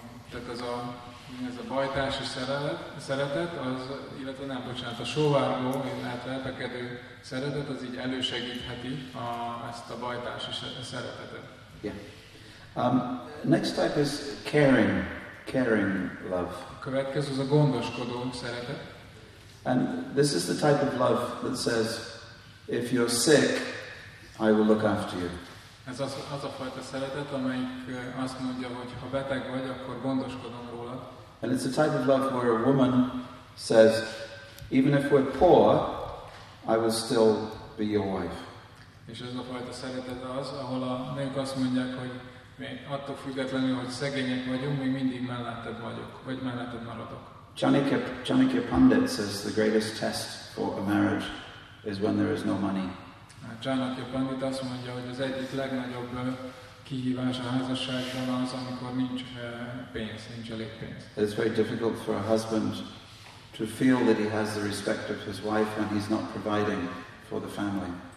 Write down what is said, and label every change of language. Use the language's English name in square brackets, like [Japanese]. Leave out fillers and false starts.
[Hungarian] Tehát ez a bajtársi szeretet, az, illetve nem, bocsánat, a sóvárgó, illetve elpekedő szeretet, az így elősegítheti ezt a bajtársi szeretetet. [English] Yeah. Next type is caring love. [Hungarian] A következő az a gondoskodó szeretet. [English] And this is the type of love that says, if you're sick, I will look after you. [Hungarian] Ez az, az a fajta szeretet, amelyik azt mondja, hogy ha beteg vagy, akkor gondoskodom róla. [English] And it's a type of love where a woman says, even if we're poor, I will still be your wife. [Hungarian] És ez a fajta szeretet az, ahol a nők azt mondják, hogy mi attól függetlenül, hogy szegények vagyunk, mi mindig melletted vagyok, vagy melletted maradok. [English] Chanakya Pandit says the greatest test for a marriage is when there is no money. [Hungarian] Chanakya Pandit azt mondja, hogy az egyik legnagyobb kihívás a házasságban az, amikor nincs pénz, nincs elég pénz. [English] It's very difficult for a husband to feel that he has the respect of his wife when he's not providing for the family.